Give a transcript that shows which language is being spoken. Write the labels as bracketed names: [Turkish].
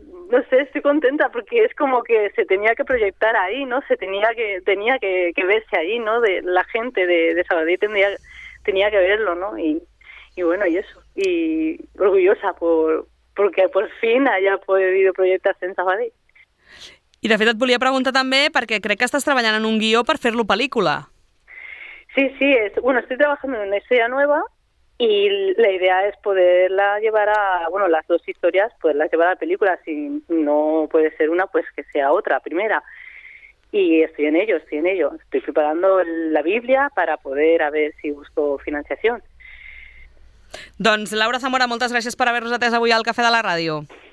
[Spanish] No sé, estoy contenta porque es como que se tenía que proyectar ahí, ¿no? Se tenía que verse ahí, ¿no? De la gente de Sabadell tenía que verlo, ¿no? Y bueno, y eso. Y orgullosa porque por fin haya podido proyectarse en Sabadell. [Catalan] I de fet et volia preguntar també perquè crec que estàs treballant en un guió per fer-lo pel·lícula. [Spanish] Sí, sí, estoy trabajando en una historia nueva y la idea es poderla llevar a, bueno, las dos historias, poderlas llevar a la película. Si no puede ser una, pues que sea otra, primera. Y estoy en ello. Estoy preparando la Biblia para poder, a ver si busco financiación. [Catalan] Doncs, Laura Zamora, moltes gràcies per haver-nos atès avui al Cafè de la Ràdio.